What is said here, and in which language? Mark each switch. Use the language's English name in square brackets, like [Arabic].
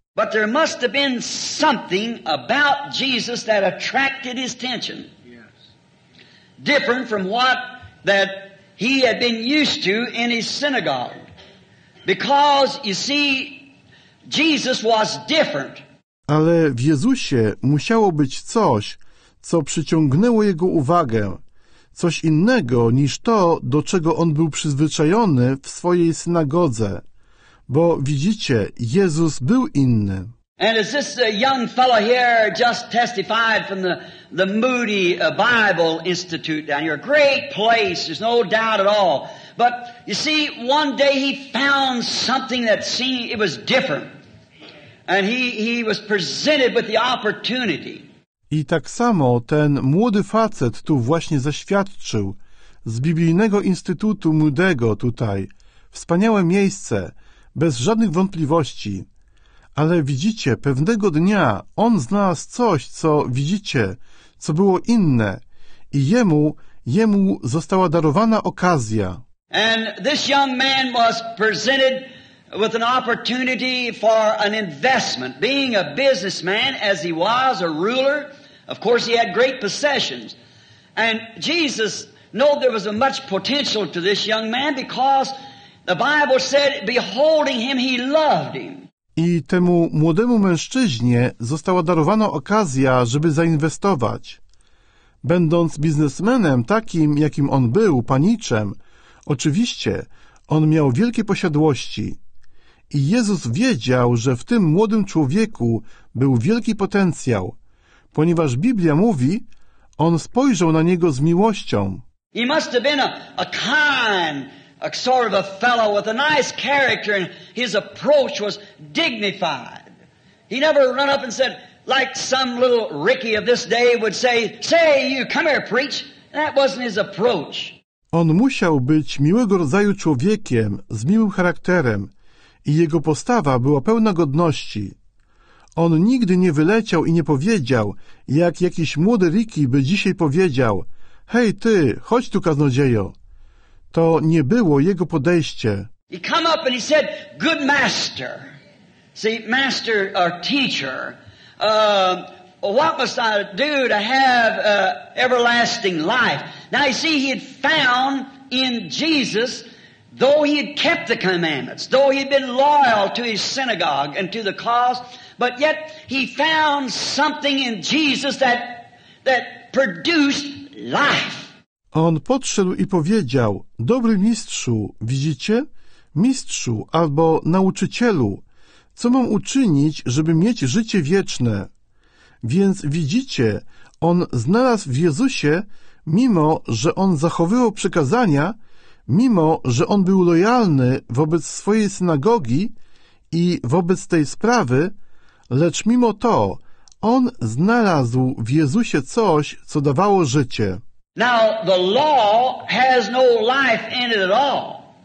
[English] But there must have been something about Jesus that attracted his attention. Different from what that he had been used to in his synagogue. Because, you see, Jesus was different. [Polish] Ale w Jezusie musiało być coś, co przyciągnęło Jego uwagę, coś innego niż to, do czego On był przyzwyczajony w swojej synagodze. Bo widzicie, Jezus był inny. [English] And as this young fellow here just testified from the Moody Bible Institute down here, a great place, there's no doubt at all. But you see, one day he found something that seemed, it was different. And he was presented with the opportunity. [Polish] I tak samo ten młody facet tu właśnie zaświadczył z biblijnego instytutu młodego tutaj. Wspaniałe miejsce, bez żadnych wątpliwości. Ale widzicie, pewnego dnia on znalazł coś, co widzicie, co było inne. I jemu została darowana okazja. [English] And this young man was presented with an opportunity for an investment. Being a businessman as he was, a ruler, of course he had great possessions. And Jesus knew there was a much potential to this young man because the Bible said, beholding him, he loved him. [Polish] I temu młodemu mężczyźnie została darowana okazja, żeby zainwestować. Będąc biznesmenem takim, jakim on był, paniczem, oczywiście on miał wielkie posiadłości. I Jezus wiedział, że w tym młodym człowieku był wielki potencjał, ponieważ Biblia mówi, on spojrzał na niego z miłością. [English] He must have been a kind, a sort of a fellow with a nice character, and his approach was dignified. He never run up and said, like some little Ricky of this day would say, say you, come here, preach. That wasn't his approach. [Polish] On musiał być miłego rodzaju człowiekiem, z miłym charakterem. i jego postawa była pełna godności. On nigdy nie wyleciał i nie powiedział, jak jakiś młody Ricky by dzisiaj powiedział: hej ty, chodź tu kaznodziejo. To nie było jego podejście. [English] He come up and he said, good master. See, master or teacher, what must I do to have everlasting life? Now you see, he had found in Jesus, though he had kept the commandments, though he had been loyal to his synagogue and to the cause, but yet he found something in Jesus that produced life. [Polish] On podszedł i powiedział: dobry mistrzu, widzicie? Mistrzu albo nauczycielu, co mam uczynić, żeby mieć życie wieczne? Więc widzicie, on znalazł w Jezusie, mimo że on zachowywał przekazania, mimo że on był lojalny wobec swojej synagogi i wobec tej sprawy, lecz mimo to on znalazł w Jezusie coś, co dawało życie. [English] Now the law has no life in it at all.